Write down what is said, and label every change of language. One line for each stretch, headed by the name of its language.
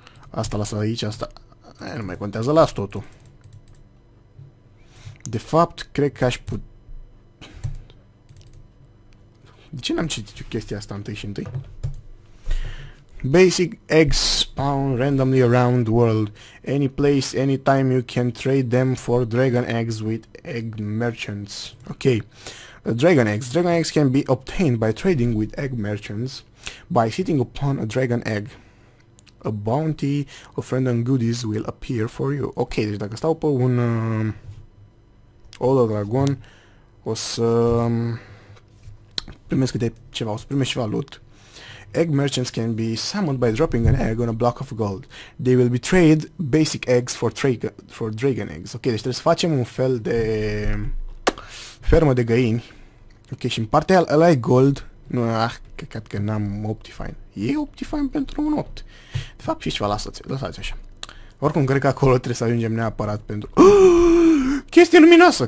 Romanian: Asta lasă aici, asta... nu mai contează, las totul. De fapt, cred că aș put... De ce n-am citit chestia asta întâi și întâi?
English: Basic eggs spawn randomly around the world. Any place, any time you can trade them for dragon eggs with egg merchants. Ok. Dragon eggs. Dragon eggs can be obtained by trading with egg merchants by sitting upon a dragon egg. A bounty of random goodies will appear for you.
Romanian: Ok, deci dacă stau pe un Old Dragon, o să primesc câte ceva, o să primesc ceva loot.
English: Egg merchants can be summoned by dropping an egg on a block of gold. They will be trade basic eggs for dragon eggs.
Romanian: Ok, deci trebuie să facem un fel de fermă de găini. Ok, și în partea ăla e gold. Nu, cred că n-am Optifine. E Optifine pentru un opt. De fapt, și ceva, lasă-ți așa. Oricum, cred că acolo trebuie să ajungem neapărat pentru... chestie luminoasă!